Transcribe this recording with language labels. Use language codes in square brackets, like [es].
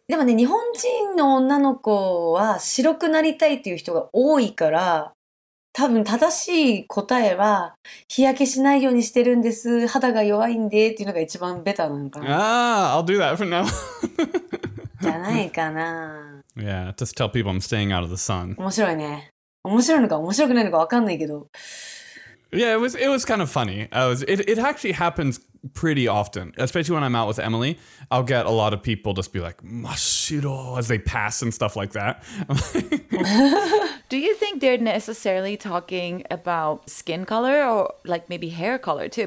[ja] でもね、日本人の女の子は白くなりたいっていう人が多いから、多分正しい答えは、日焼けしないようにしてるんです、肌が弱いんでっていうのが一番ベタなのかな。 [en] Ah, I'll do that for now. [ja] じゃないかな。 [en] Yeah, just tell people I'm staying out of the sun. [ja] 面白いね。面白いのか面白くないのかわかんないけど。 [en] Yeah, it was kind of funny. It actually happens pretty often, especially when I'm out with Emily. I'll get a lot of people just be like, "Mashiro," as they pass and stuff like that. Do you think they're necessarily talking about skin color or like maybe hair color too?